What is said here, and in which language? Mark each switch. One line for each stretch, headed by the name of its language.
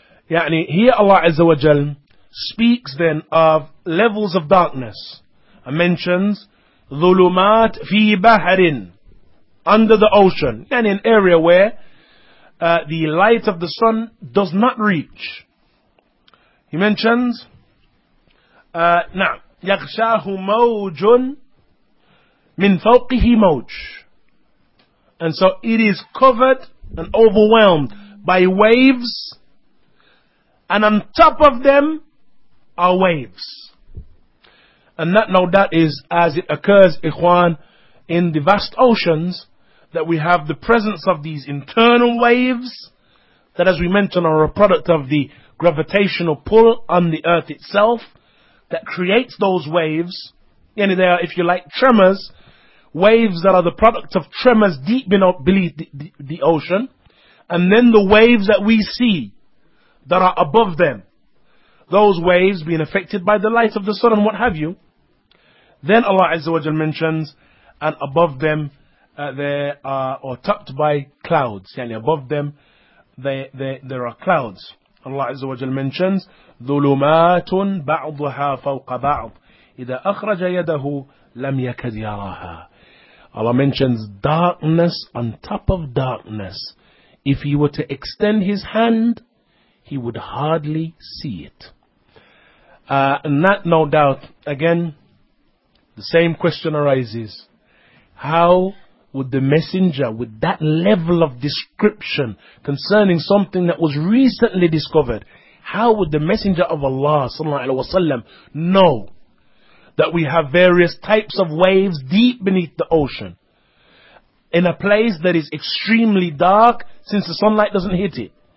English: Yani here Allah Azza wa Jal speaks then of levels of darkness. And mentions,
Arabic: ظُلُمَات فِي بَحَرٍ,
English: under the ocean. Yani an area where the light of the sun does not reach. He mentions,
Arabic: يَغْشَاهُ مَوْجٌ مِنْ فَوْقِهِ مَوْجٌ.
English: And so it is covered and overwhelmed by waves, and on top of them are waves. And that, no doubt, is as it occurs, ikhwan, in the vast oceans, that we have the presence of these internal waves that, as we mentioned, are a product of the gravitational pull on the earth itself that creates those waves. Yani they are, if you like, tremors. Waves that are the product of tremors deep beneath the ocean. And then the waves that we see that are above them. Those waves being affected by the light of the sun and what have you. Then Allah Azza wa Jalla mentions, and above them there are, or topped by clouds. Yani above them there are clouds. Allah Azza wa Jalla mentions,
Arabic: ظُلُمَاتٌ بَعْضُهَا فَوْقَ بَعْضٍ إِذَا أَخْرَجَ يَدَهُ لَمْ يَكَدْ يَرَاهَا.
English: Allah mentions darkness on top of darkness. If he were to extend his hand, he would hardly see it. And that, no doubt, again, the same question arises. How would the messenger, with that level of description concerning something that was recently discovered, how would the messenger of Allah, sallallahu alaihi wasallam, know that we have various types of waves deep beneath the ocean, in a place that is extremely dark since the sunlight doesn't hit it?